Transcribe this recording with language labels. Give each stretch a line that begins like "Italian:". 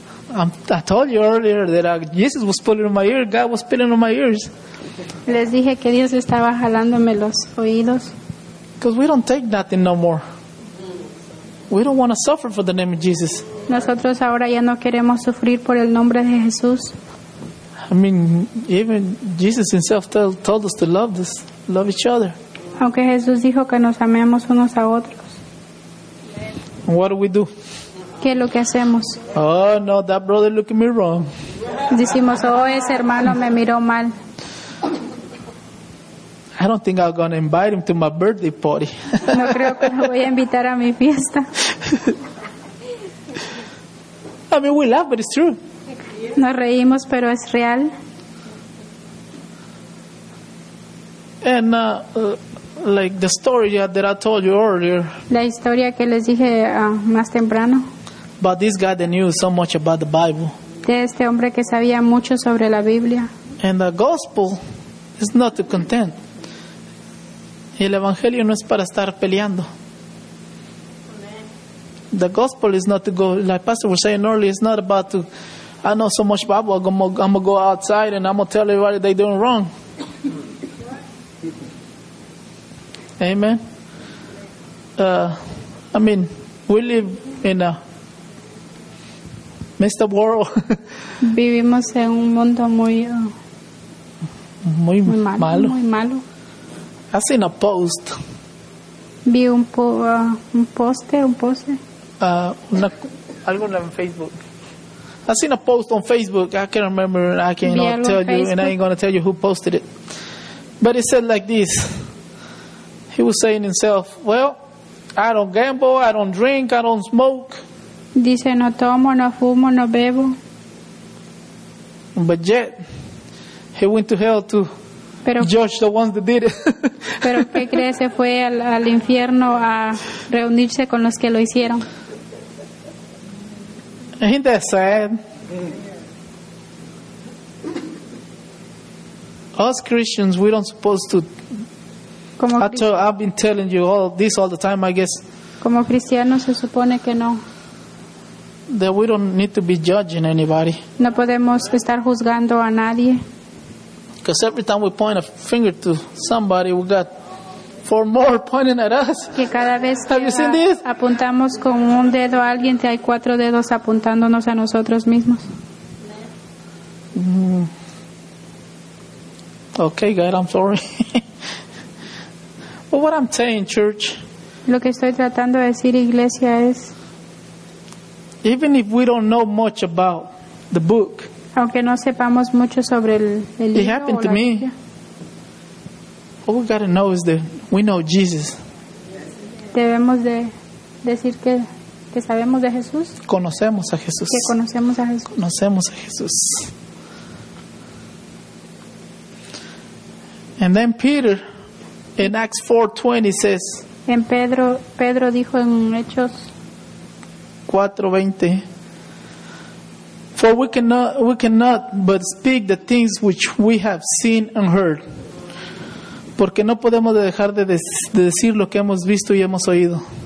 English: I told you earlier that Jesus was pulling on my ear. God was pulling on my ears.
Spanish: Les dije que Dios estaba jalándome los oídos.
English: Because we don't take nothing no more. We don't want to suffer for the name of Jesus.
Spanish: Nosotros ahora ya no queremos sufrir por el nombre de Jesús.
English: I mean, even Jesus himself told us to love this, love each other.
Spanish: Aunque Jesús dijo que nos amemos unos a otros.
English: What do we do?
Spanish: ¿Qué es lo que hacemos?
English: Oh, no, that brother looking me wrong.
Spanish: Decimos, oh, ese hermano me miró mal.
English: I don't think I'm going to invite him to my birthday party.
Spanish: No creo que lo voy a invitar a mi fiesta.
English: I mean, we laugh, but it's true.
Spanish: Nos reímos, pero es real.
English: And like the story that I told you earlier.
Spanish: La historia que les dije más temprano.
English: But this guy that knew so much about the Bible.
Spanish: De este hombre que sabía mucho sobre la Biblia.
English: And the gospel is not to contend.
Spanish: Y el evangelio no es para estar peleando.
English: The gospel is not to go, like Pastor was saying earlier, it's not about to, I know so much Bible, I'm going to go outside and I'm going to tell everybody they're doing wrong. Amen. I mean, we live in a messed up world.
Spanish: Vivimos en un mundo muy, muy malo. Muy malo.
English: I seen a post.
Spanish: Vi un poste. Algo en Facebook.
English: I seen a post on Facebook. I can't remember. I cannot tell you. And I ain't going to tell you who posted it. But it said like this. He was saying himself, well, I don't gamble. I don't drink. I don't smoke.
Spanish: Dice, no tomo, no fumo, no bebo.
English: But yet, he went to hell to judge the ones that did it.
Spanish: Pero ¿qué crees? Se fue al infierno a reunirse con los que lo hicieron.
English: Ain't that sad? Us Christians, we don't supposed to. I've been telling you all this all the time, I guess.
Spanish: Como cristianos se supone que no.
English: That we don't need to be judging anybody.
Spanish: No podemos estar juzgando a nadie.
English: Because every time we point a finger to somebody, we got four more pointing at us.
Spanish: Que cada vez
English: have you seen this?
Spanish: Apuntamos con un dedo a alguien, hay cuatro dedos apuntándonos a nosotros mismos.
English: Okay, God, I'm sorry. But what I'm saying, church.
Spanish: Lo que estoy tratando de decir, iglesia, es.
English: Even if we don't know much about the book.
Spanish: Aunque no sepamos mucho sobre el libro.
English: It happened to me. All we gotta know is that we know Jesus.
Spanish: Debemos de decir que sabemos de Jesús. Conocemos a Jesús. Que conocemos a Jesús. Conocemos a Jesús.
English: And then Peter in Acts 4:20 says.
Spanish: En Pedro dijo en Hechos 4:20.
English: For we cannot but speak the things which we have seen and heard.
Spanish: Porque no podemos dejar de decir lo que hemos visto y hemos oído.